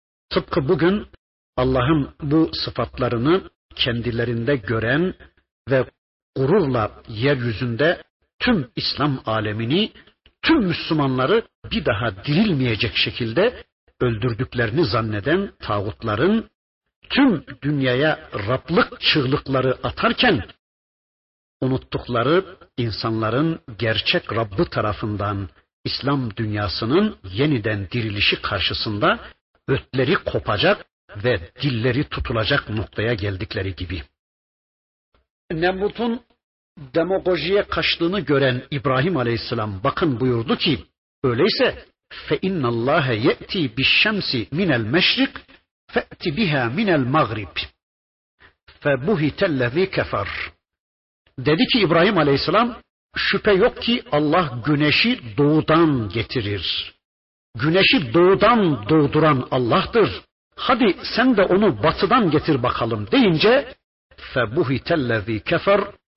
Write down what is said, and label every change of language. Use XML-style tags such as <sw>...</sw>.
<tr>Tıpkı bugün Allah'ın bu sıfatlarını kendilerinde gören ve gururla yeryüzünde tüm İslam alemini, tüm Müslümanları bir daha dirilmeyecek şekilde öldürdüklerini zanneden tağutların tüm dünyaya Rab'lık çığlıkları atarken unuttukları insanların gerçek Rabb'ı tarafından İslam dünyasının yeniden dirilişi karşısında ötleri kopacak ve dilleri tutulacak noktaya geldikleri gibi. Nemrut'un demagojiye kaçtığını gören İbrahim Aleyhisselam bakın buyurdu ki, öyleyse</tr> <ar>فَاِنَّ اللّٰهَ يَأْتِي بِالشَّمْسِ مِنَ الْمَشْرِقِ فَأْتِ بِهَا مِنَ الْمَغْرِبِ فَبُهِتَ الَّذ۪ي كَفَرْ.</ar> <tr>Dedi ki İbrahim Aleyhisselam, şüphe yok ki Allah güneşi doğudan getirir. Güneşi doğudan doğduran Allah'tır. Hadi sen de onu batıdan getir bakalım deyince,</tr> <ar>فَبُهِتَ الَّذ۪ي كَفَرْ.</ar>